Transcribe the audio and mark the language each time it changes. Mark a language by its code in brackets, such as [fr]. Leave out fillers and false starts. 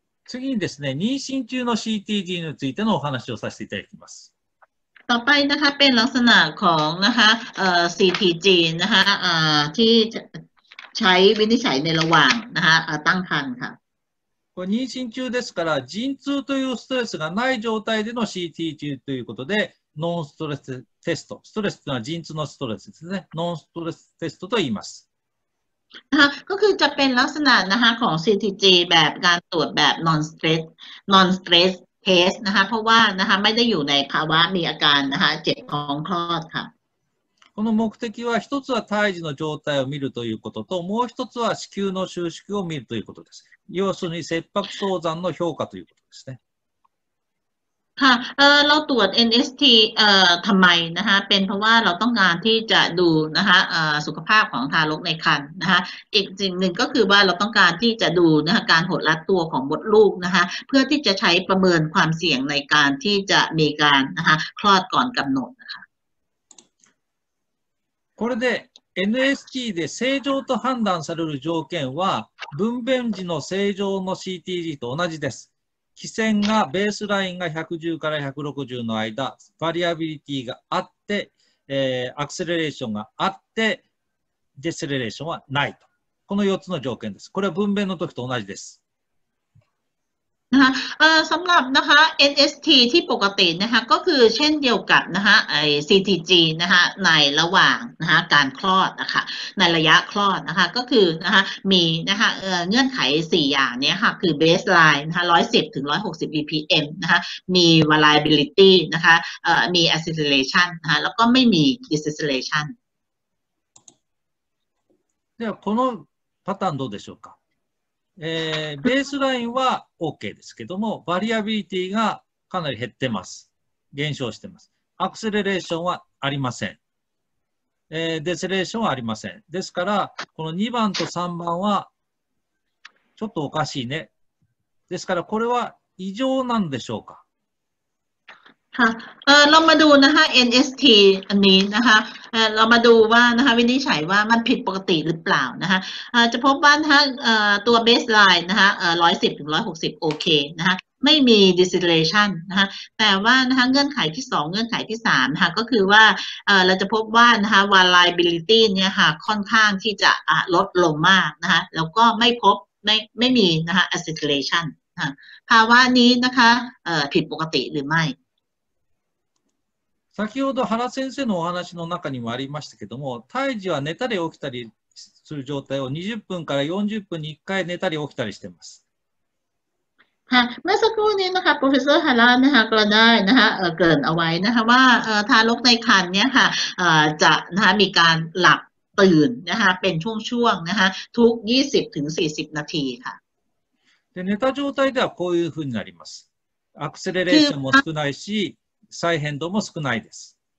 [ja] 次にですね妊娠中の CTG についてのお話をさせていただきます [th] ต่อไปนะคะเป็นลักษณะของนะคะCTG นะคะที่ใช้วินิจฉัยในระหว่างนะคะตั้งครรภ์ค่ะ [ja] これ妊娠中ですから陣痛というストレスがない状態での CTG ということでノンストレステストストレスというのは陣痛のストレスですねノンストレステストと言います [th] ก็คือจะเป็นลักษณะนะคะของ CTG แบบการตรวจแบบ non stressเทสนะคะเพราะว่านะคะไม่ได้อยู่ในภาวะมีอาการนะคะเจ็บท้องคลอดค่ะ [ja] この目的は一つは胎児の状態を見るということと、もう一つは子宮の収縮を見るということです。要するに切迫早産の評価ということですね。 [th] ค่ะเราตรวจ NST ทำไมนะคะเป็นเพราะว่าเราต้องการที่จะดูนะคะสุขภาพของทารกในครรภ์นะคะอีกสิ่งหนึ่งก็คือว่าเราต้องการที่จะดูนะคะการหดลัดตัวของมดลูกนะคะเพื่อที่จะใช้ประเมินความเสี่ยงในการที่จะมีการนะคะคลอดก่อนกำหนดนะคะ [ja] これで NST で正常と判断される条件は分娩時の正常の CTG と同じです。基線がベースラインが110から160の間、バリアビリティがあって、アクセレレーションがあって、デセレレーションはないと。この4つの条件です。これは分娩の時と同じです。 [th] นะคะสำหรับนะคะ NST ที่ปกตินะคะก็คือเช่นเดียวกับนะคะไอ้ CTG นะคะในระหว่างนะคะการคลอดนะคะในระยะคลอดนะคะก็คือนะคะมีนะคะเงื่อนไข4อย่างเนี้ยค่ะคือ baseline นะคะ110ถึง160 BPM นะคะมี variability นะคะมี acceleration นะคะแล้วก็ไม่มี deceleration [ja] เนี่ยこのパターンどうでしょうかベースラインは OK ですけども、バリアビリティがかなり減ってます。減少してます。アクセレレーションはありません。デセレーションはありません。ですから、この2番と3番はちょっとおかしいね。ですから、これは異常なんでしょうか? [th] ค่ะเรามาดูนะคะ NST อันนี้นะคะเรามาดูว่านะคะวินิจฉัยว่ามันผิดปกติหรือเปล่านะคะจะพบว่านะคะตัว baseline นะคะ110ถึง160โอเคนะคะไม่มี deceleration นะคะแต่ว่านะคะเงื่อนไขที่2เงื่อนไขที่3นะคะก็คือว่าเราจะพบว่านะคะ variability เนี่ยค่ะค่อนข้างที่จะลดลงมากนะคะแล้วก็ไม่พบไม่มีนะคะ acceleration นะภาวะนี้นะคะผิดปกติหรือไม่ [ja] 先ほど原先生のお話の中にもありましたけども、胎児は寝たり起きたりする状態を20分から40分に1回寝たり起きたりしています。 [th] ค่ะเมื่อสักครู่นี้นะคะ professor Hara นะคะก็ได้นะคะเกริ่นเอาไว้นะคะว่าทารกในครรภ์เนี่ยค่ะจะนะคะมีการหลับตื่นนะคะเป็นช่วงๆนะคะทุก20ถึง40นาทีค่ะ [ja] で寝た状態ではこういうふうになります。アクセレレーションも少ないし再変動も少ないです。